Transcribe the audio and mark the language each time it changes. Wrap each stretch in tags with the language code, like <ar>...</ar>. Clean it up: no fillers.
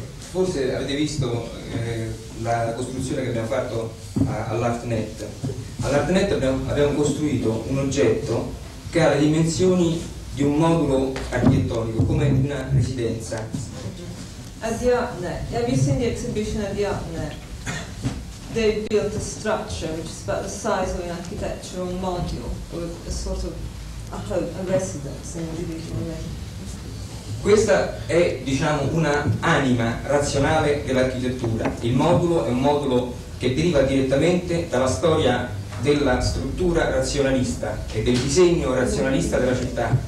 <it>Forse avete visto la costruzione che abbiamo fatto all'ArtNet. All'ArtNet abbiamo costruito un oggetto che ha le dimensioni di un modulo architettonico, come una residenza.</it> <en>At the ArtNet, have you seen the exhibition at the ArtNet? They built a structure which is about the size of an architectural module, with a sort of a home, a residence, an individual residence.</en> <it>Questa è, diciamo, una anima razionale dell'architettura. Il modulo è un modulo che deriva direttamente dalla storia della struttura razionalista e del disegno razionalista della città.</it>